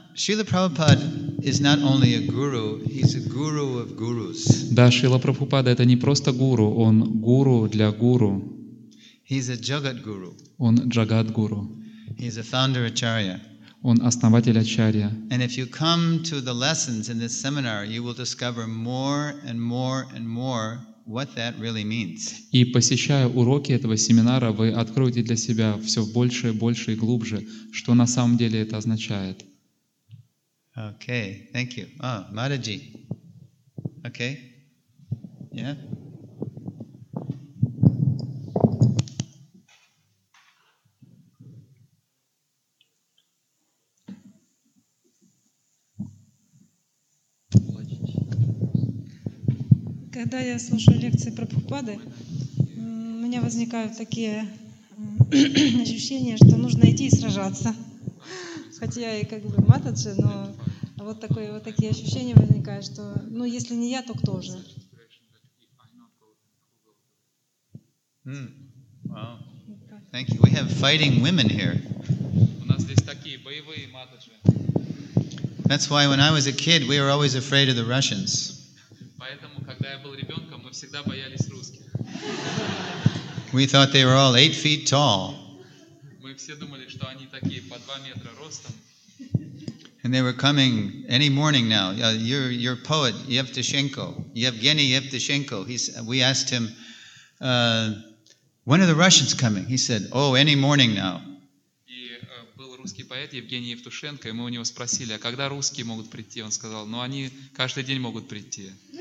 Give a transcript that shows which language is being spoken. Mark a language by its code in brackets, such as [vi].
[en] Srila Prabhupada is not only a guru, he's a guru of gurus. [ru] Да, Шрила Прабхупада — это не просто гуру, он гуру для гуру. [en] He's a jagat guru. [ru] Он джагат гуру. [en] He's a founder acharya. [ru] Он основатель ачарья. [en] And if you come to the lessons in this seminar, you will discover more and more and more what that really means. [ru] И посещая уроки этого семинара, вы откроете для себя все больше и больше и глубже, что на самом деле это означает. [en] Okay, thank you. Oh, Mataji. Okay. Yeah. [ru] Когда я слушаю лекции Прабхупады, у меня возникают такие ощущения, что нужно идти и сражаться. Хотя я и как бы матаджи, но вот, такое, вот такие ощущения возникают, что ну, если не я, то кто же? [en] Thank you. We have fighting women here. [ru] У нас здесь такие боевые матаджи. [en] That's why when I was a kid, we were always afraid of the Russians. [ru] Поэтому, когда я был ребенком, мы всегда боялись русских. [en] We thought they were all 8 feet tall. [ru] Мы все думали, что они такие по 2 метра ростом. [en] And they were coming any morning now. Your poet Yevtushenko, Yevgeny Yevtushenko. We asked him, When are the Russians coming? He said, oh, any morning now. [ru] И был русский поэт Евгений Евтушенко, и мы у него спросили, а когда русские могут прийти? Он сказал, ну они каждый день могут прийти.